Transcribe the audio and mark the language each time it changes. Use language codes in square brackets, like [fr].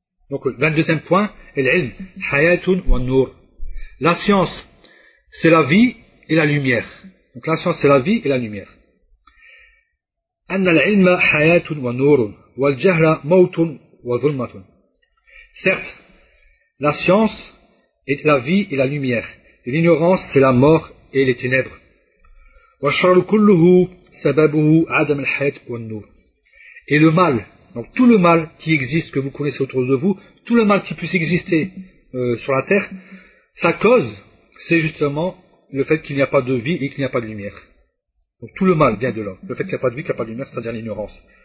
[fr] Donc le 22e point, [ar] l'ilm, hayatun wa nur. [fr] La science, c'est la vie et la lumière. Donc la science, c'est la vie et la lumière. [ar] أن العلم حياة ونور والجهل موت وظلمة. [fr] Certes, la science est la vie et la lumière. Et l'ignorance, c'est la mort et les ténèbres. [ar] والشر كله سببه عدم الحياة والنور. [fr] Et le mal, donc tout le mal qui existe, que vous connaissez autour de vous, tout le mal qui puisse exister sur la terre, sa cause, c'est justement le fait qu'il n'y a pas de vie et qu'il n'y a pas de lumière. Donc tout le mal vient de là. Le fait qu'il n'y a pas de vie, qu'il n'y a pas de lumière, c'est-à-dire l'ignorance.